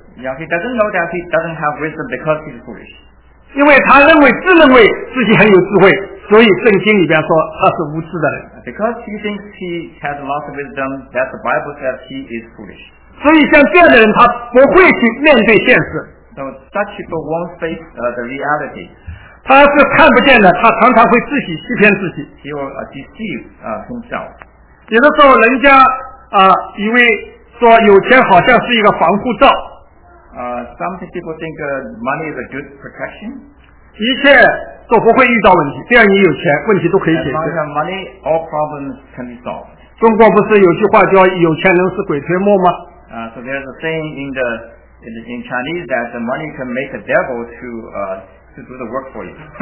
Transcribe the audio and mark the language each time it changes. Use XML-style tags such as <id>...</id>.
<en>Yeah, he doesn't know that he doesn't have wisdom because he's foolish.</en> <zh>因为他认为自认为自己很有智慧，所以圣经里边说他是无知的人。</zh> <en>Because he thinks he has a lot of wisdom, that the Bible says he is foolish.</en> <zh>所以像这样的人，他不会去面对现实。</zh> <en>So such people won't face the reality.</en> <zh>他是看不见的，他常常会自己欺骗自己。</zh> <en>He will deceive himself.</en> <zh>有的时候人家以为说有钱好像是一个防护罩。</zh> <en>Some people think money is a good protection.</en> <zh>一切都不会遇到问题，只要你有钱，问题都可以解决。</zh> <en>As long as money, all problems can be solved.</en> <zh>中国不是有句话叫有钱人是鬼推磨吗？</zh> <en>So there's a saying in Chinese that the money can make a devil to do the work for you.</en>